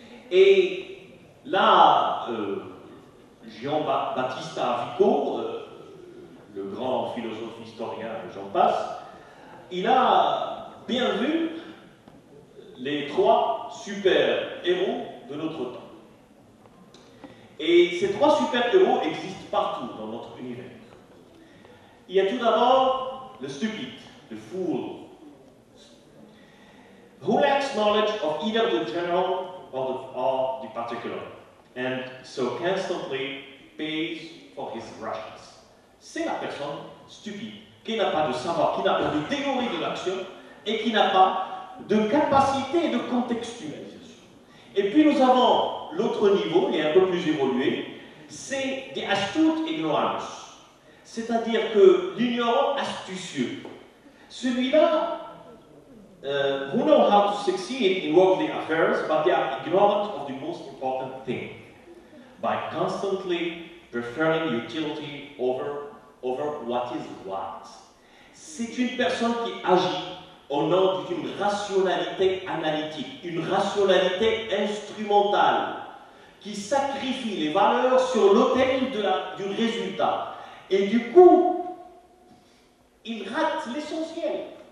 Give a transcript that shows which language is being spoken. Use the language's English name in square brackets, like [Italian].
[French] Et là, Jean-Baptiste Avico, le grand philosophe historien, j'en passe, il a bien vu les trois super-héros de notre temps. Et ces trois super-héros existent partout dans notre univers. Il y a tout d'abord le [English] stupid, le fool, who lacks knowledge of either the general or the particular, and so constantly pays for his rashness. [French] C'est la personne stupide, qui n'a pas de savoir, qui n'a pas de théorie de l'action, et qui n'a pas de capacité de contextualisation. Et puis nous avons l'autre niveau, qui est un peu plus évolué, c'est [English] the astute ignoramus, [French] c'est-à-dire que l'ignorant astucieux. Celui-là, [English] who know how to succeed in worldly affairs, but they are ignorant of the most important thing, by constantly preferring utility over what is wise. [French] C'est une personne qui agit au nom d'une rationalité analytique, une rationalité instrumentale, qui sacrifie les valeurs sur l'autel du résultat. Et du coup, il rate l'essentiel.